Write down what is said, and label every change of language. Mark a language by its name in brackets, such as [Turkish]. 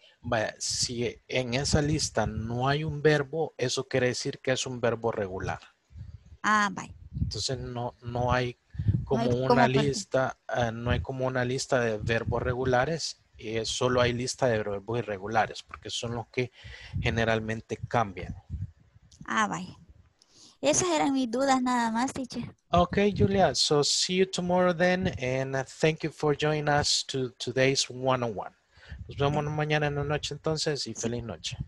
[Spanish] Vaya, si en esa lista no hay un verbo, eso quiere decir que es un verbo regular. Ah, bye. Entonces no hay No hay como una como parte. lista, no hay como una lista de verbos regulares, solo hay lista de verbos irregulares, porque son los que generalmente cambian. Ah, vaya. Esas eran mis dudas nada más, teacher. [English] Okay, Julia, so see you tomorrow then, and thank you for joining us to today's 101. [Spanish] Nos vemos mañana en la noche entonces y feliz noche.